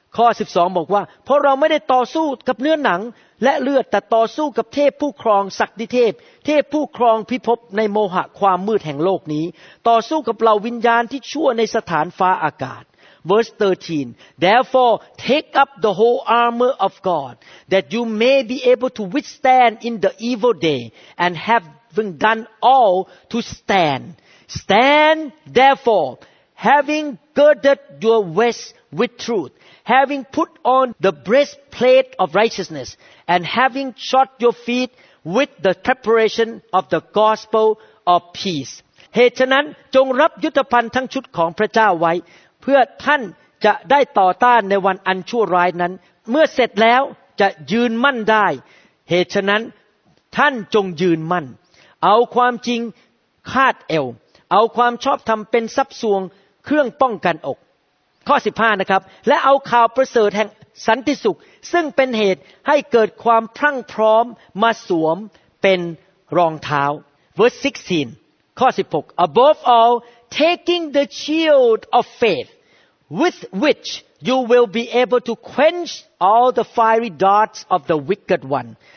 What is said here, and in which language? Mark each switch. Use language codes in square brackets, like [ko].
[th] ข้อ 12 บอกว่าเพราะเราไม่ได้ต่อสู้กับเนื้อหนังและเลือดแต่ต่อสู้กับเทพผู้ครองศักดิเทพเทพผู้ครองพิภพในโมหะความมืดแห่งโลกนี้ต่อสู้กับเหล่าวิญญาณที่ชั่วในสถานฟ้าอากาศ [en] Verse 13, therefore take up the whole armor of God, that you may be able to withstand in the evil day, and having done all to stand. Stand therefore, having girded your waist with truth, having put on the breastplate of righteousness, and having shod your feet with the preparation of the gospel of peace. [th] เหตุฉะนั้นจงรับยุทธภัณฑ์ทั้งชุดของพระเจ้าไว้เพื่อท่านจะได้ต่อต้านในวันอันชั่วร้ายนั้นเมื่อเสร็จแล้วจะยืนมั่นได้เหตุฉะนั้น ท่านจงยืนมั่นเอาความจริงคาดเอวเอาความชอบธรรมเป็นทรัพย์สวงเครื่องป้องกันอกข้อ15นะครับและเอาข่าวประเสริฐแห่งสันติสุขซึ่งเป็นเหตุให้เกิดความพรั่งพร้อมมาสวมเป็นรองเท้า verse 16ข้อ16 [en] above allTaking the shield of faith, with which you will be able to quench all the fiery darts of the wicked one.